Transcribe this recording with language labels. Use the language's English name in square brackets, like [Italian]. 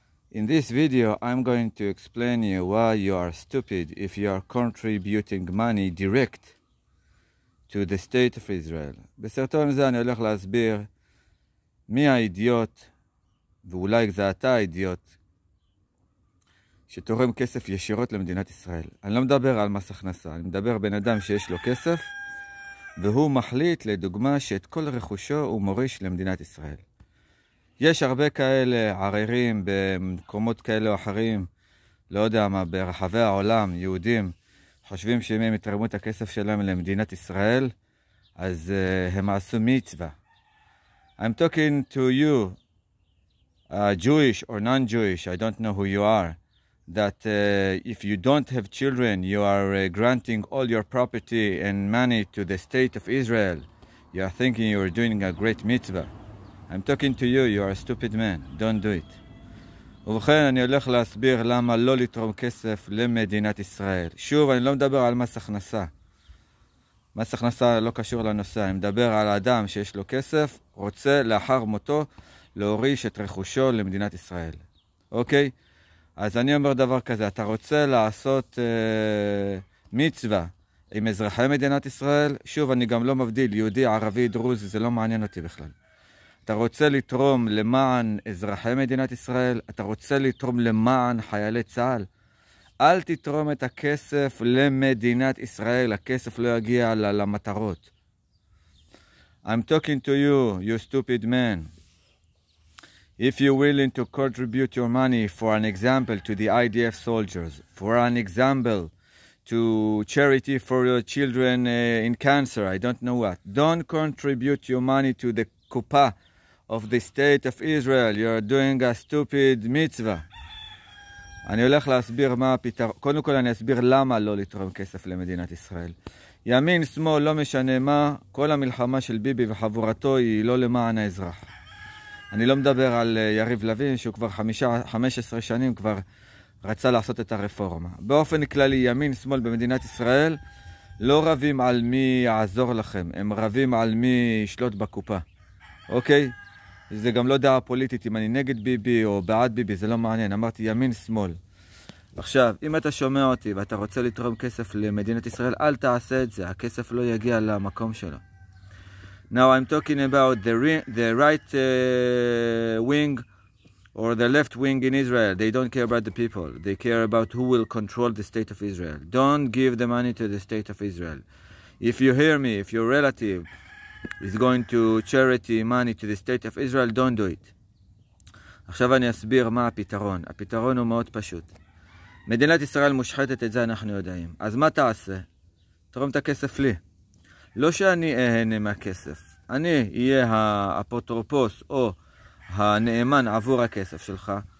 [English] In this video, I'm going to explain you why you are stupid if you are contributing money direct to the state of Israel. [Hebrew] בסרטון הזה אני הולך להסביר מי האידיוט, ואולי זה אתה האידיוט, שתורם כסף ישירות למדינת ישראל. אני לא מדבר על מס הכנסה, אני מדבר בן אדם שיש לו כסף, והוא מחליט לדוגמה שאת כל רכושו הוא מוריש למדינת ישראל. יש הרבה כאלה עררים במקומות כאלה או אחרים, לא יודע מה, ברחבי העולם, יהודים, חושבים שאם הם יתרמו את הכסף שלהם למדינת ישראל, אז הם עשו מצווה. [English] I'm talking to you, Jewish or non-Jewish, I don't know who you are, that if you don't have children, you are granting all your property and money to the state of Israel, you are thinking you are doing a great mitzvah. I'm talking to you are a stupid man, don't do it. [Hebrew] ובכן, אני הולך להסביר למה לא לתרום כסף למדינת ישראל. שוב, אני לא מדבר על מס הכנסה. מס הכנסה לא קשור לנושא, אני מדבר על אדם שיש לו כסף, רוצה לאחר מותו להוריש את רכושו למדינת ישראל. אוקיי? אז אני אומר דבר כזה, אתה רוצה לעשות מצווה עם אזרחי מדינת ישראל? שוב, אני גם לא מבדיל, יהודי, ערבי, דרוזי, זה לא מעניין אותי בכלל. אתה רוצה לתרום למען אזרחי מדינת ישראל? אתה רוצה לתרום למען חיילי צה"ל? אל תתרום את הכסף למדינת ישראל, הכסף לא יגיע למטרות. [English] I'm talking to you, you stupid man. If you're willing to contribute your money for an example to the IDF soldiers, for an example to charity for your children in cancer, I don't know what, don't contribute your money to the kupa of the state of Israel, you're doing a stupid mitzvah. [Hebrew] אני הולך להסביר מה הפתרון. קודם כל אני אסביר למה לא לתרום כסף למדינת ישראל. ימין, שמאל, לא משנה מה, כל המלחמה של ביבי וחבורתו היא לא למען האזרח. אני לא מדבר על יריב לוין, שהוא כבר 15 שנים כבר רצה לעשות את הרפורמה. באופן כללי, ימין, שמאל במדינת ישראל לא רבים על מי יעזור לכם, הם רבים על מי ישלוט בקופה. אוקיי? זה גם לא דעה פוליטית אם אני נגד ביבי או בעד ביבי, זה לא מעניין. אמרתי ימין שמאל. עכשיו, אם אתה שומע אותי ואתה רוצה לתרום כסף למדינת ישראל, אל תעשה את זה, הכסף לא יגיע למקום שלו. [English] Now I'm talking about the right wing or the left wing in Israel. They don't care about the people. They care about who will control the state of Israel. Don't give the money to the state of Israel. If you hear me, if you're relative, is going to charity money to the state of Israel, don't do it. [Hebrew] עכשיו אני אסביר מה הפתרון. הפתרון הוא מאוד פשוט. מדינת ישראל מושחתת, את זה אנחנו יודעים. אז מה תעשה? תרום את הכסף לי. לא שאני אהנה מהכסף. אני אהיה האפוטרופוס או הנאמן עבור הכסף שלך.